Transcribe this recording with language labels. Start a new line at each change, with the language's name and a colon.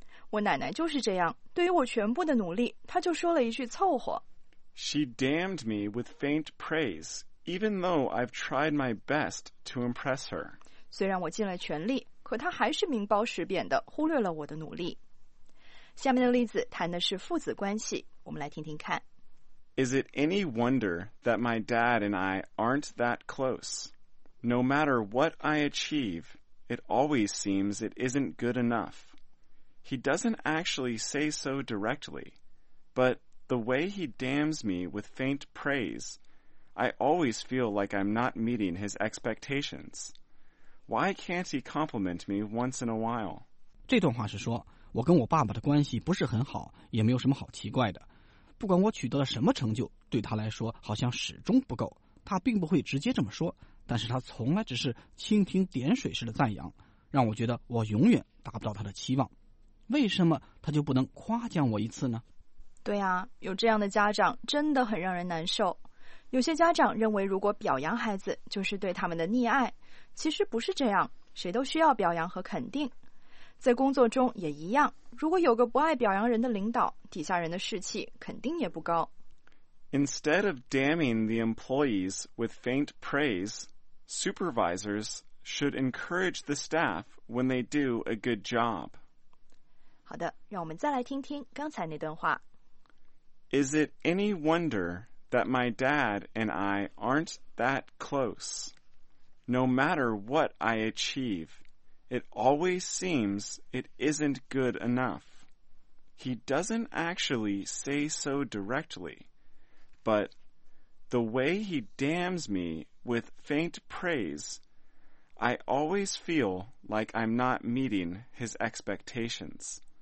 Chinese: 我奶奶就是这样，对于我全部的努力，她就说了一句凑合。
English: She damned me with faint praise, even though I've tried my best to impress her.
Chinese: 虽然我尽了全力，可她还是名包实贬地忽略了我的努力。下面的例子谈的是父子关系，我们来听听看。
English: Is it any wonder that my dad and I aren't that close? No matter what I achieve, it always seems it isn't good enough. He doesn't actually say so directly, but the way he damns me with faint praise, I always feel like I'm not meeting his expectations. Why can't he compliment me once in a while?
Chinese: 这段话是说我跟我爸爸的关系不是很好，也没有什么好奇怪的。不管我取得了什么成就，对他来说好像始终不够。他并不会直接这么说，但是他从来只是蜻蜓点水式的赞扬，让我觉得我永远达不到他的期望。为什么他就不能夸奖我一次呢？对啊，有这样的家长真的很让人难受。有些家长认为如果表扬孩子就是对他们的溺爱，其实不是这样，谁都需要表扬和肯定。在工作中也一样，如果有个不爱表扬人的领导，底下人的士气肯定也不高。
English: Instead of damning the employees with faint praise, supervisors should encourage the staff when they do a good job.
Chinese: 好的，让我们再来听听刚才那段话。
English: Is it any wonder that my dad and I aren't that close? No matter what I achieve, it always seems it isn't good enough. He doesn't actually say so directly, but the way he damns me with faint praise, I always feel like I'm not meeting his expectations.